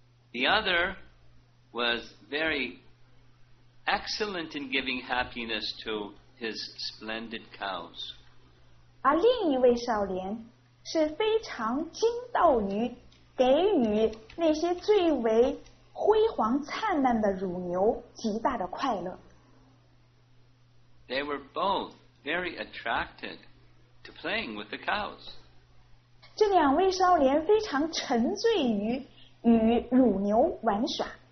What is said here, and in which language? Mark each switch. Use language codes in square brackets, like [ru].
[en] The other was very excellent in giving happiness to his splendid cows. [zh] 而另一位少年是非常精到于给予那些最为辉煌灿烂的乳牛极大的快乐。 [en] They were both very attracted to playing with the cows. [zh] 这两位少年非常沉醉于与乳牛玩耍。